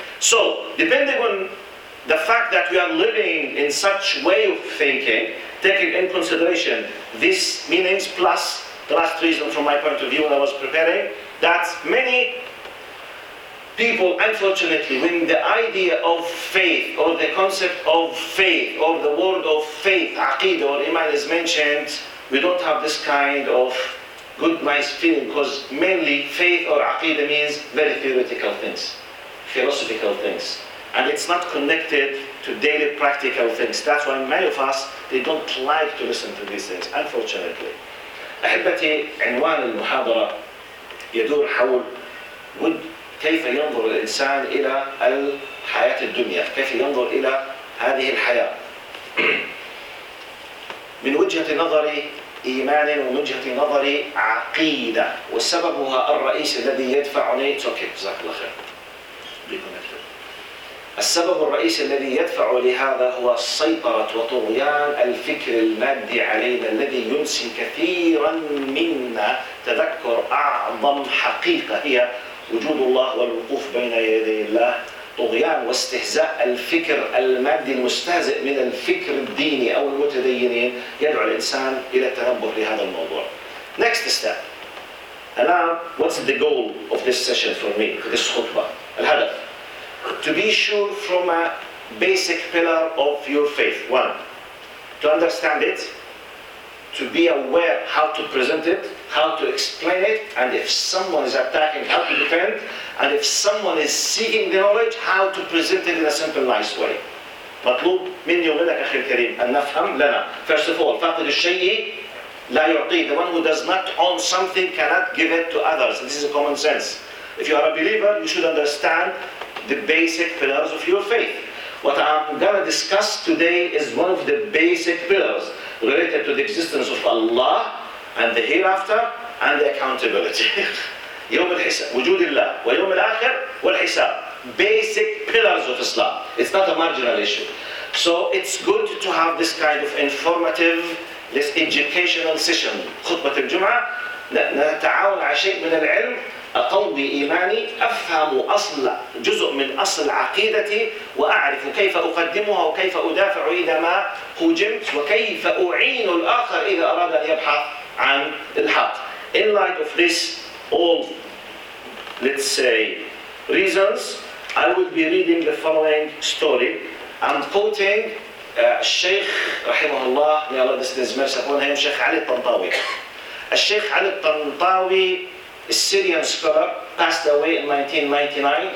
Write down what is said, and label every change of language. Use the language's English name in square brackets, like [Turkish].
[English] So, depending on the fact that we are living in such way of thinking, taking in consideration these meanings plus the last reason from my point of view when I was preparing, that many people, unfortunately, when the idea of faith or the concept of faith or the word of faith, aqidah or iman is mentioned, we don't have this kind of good, nice feeling, because mainly faith or aqidah means very theoretical things. Philosophical things, and it's not connected to daily practical things. That's why many of us, they don't like to listen to these things, unfortunately. [Arabic] أحبتي عنوان المحاضرة يدور حول ود كيف ينظر الإنسان إلى الحياة الدنيا، كيف ينظر إلى هذه الحياة. من وجهة نظري إيمان ومن وجهة نظري عقيدة، والسبب هو الرئيس الذي يدفعني توكيت جزاك الله خير. السبب الرئيسي الذي يدفع لهذا هو السيطرة وطغيان الفكر المادي علينا الذي ينسي كثيرا منا تذكر أعظم حقيقة هي وجود الله والوقوف بين يدي الله. طغيان واستهزاء الفكر المادي المستهزئ من الفكر الديني أو المتدينين يدعو الإنسان إلى التنبه لهذا الموضوع. [English] Next step. Now, what's the goal of this session for me, this khutbah? [Arabic] الهدف. [English] To be sure from a basic pillar of your faith. One, to understand it, to be aware how to present it, how to explain it, and if someone is attacking, how to defend, and if someone is seeking the knowledge, how to present it in a simple, nice way. [Arabic] مطلوب مني ومنك أخي الكريم أن نفهم لنا. [English] First of all, [Arabic] فاقد الشيء لا يعطيه. [English] The one who does not own something cannot give it to others. This is a common sense. If you are a believer, you should understand the basic pillars of your faith. What I'm gonna discuss today is one of the basic pillars related to the existence of Allah and the hereafter and the accountability. [Arabic] يوم الحساب وجود الله ويوم الآخر والحساب. [English] Basic pillars of Islam. It's not a marginal issue. So it's good to have this kind of informative, this educational session. [Arabic] خطبة الجمعة نتعاون على شيء من العلم أقوي إيماني أفهم أصل جزء من أصل عقيدتي وأعرف كيف أقدمها وكيف أدافع إذا ما هجمت وكيف أعين الآخر إذا أراد أن يبحث عن الحق. [English] In light of this all, let's say, reasons, I will be reading the following story. I'm quoting Sheikh [Arabic] رحمه الله, [English] may Allah descend his mercy upon him, Sheikh Ali Tantawi. Sheikh Ali Tantawi, a Syrian scholar, passed away in 1999.